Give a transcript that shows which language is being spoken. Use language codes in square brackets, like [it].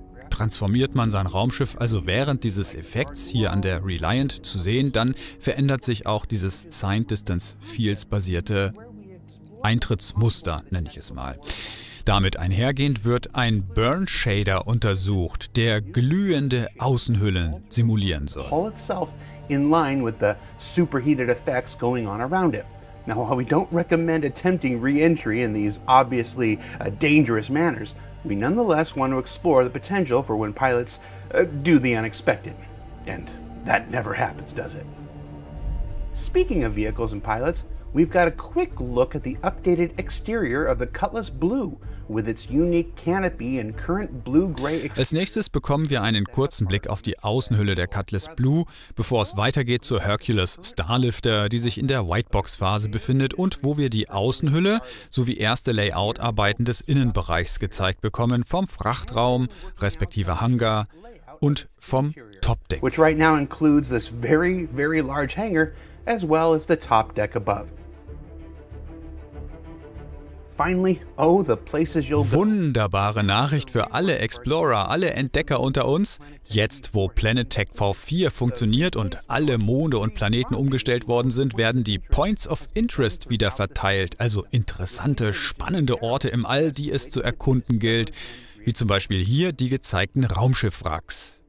[de] Transformiert man sein Raumschiff also während dieses Effekts hier an der Reliant zu sehen, dann verändert sich auch dieses Signed Distance Fields basierte Eintrittsmuster, nenne ich es mal. Damit einhergehend wird ein Burn Shader untersucht, der glühende Außenhüllen simulieren soll. [en] Itself in line with the superheated effects going on around it. Now, while we don't recommend attempting re-entry in these obviously dangerous manners, we nonetheless want to explore the potential for when pilots do the unexpected. And that never happens, does it? Speaking of vehicles and pilots, we've got a quick look at the updated exterior of the Cutlass Blue with its unique canopy and current blue-gray. [de] Als nächstes bekommen wir einen kurzen Blick auf die Außenhülle der Cutlass Blue, bevor es weitergeht zur Hercules Starlifter, die sich in der Whitebox-Phase befindet und wo wir die Außenhülle sowie erste Layout-Arbeiten des Innenbereichs gezeigt bekommen, vom Frachtraum respektive Hangar und vom Topdeck. [en] Which right now includes this very, very large hangar, as well as the top deck above. Finally, oh, the places you'll visit. [de] Wunderbare Nachricht für alle Explorer, alle Entdecker unter uns. Jetzt, wo Planetech V4 funktioniert und alle Monde und Planeten umgestellt worden sind, werden die Points of Interest wieder verteilt, also interessante, spannende Orte im All, die es zu erkunden gilt, wie zum Beispiel hier die gezeigten Raumschiff-Wracks.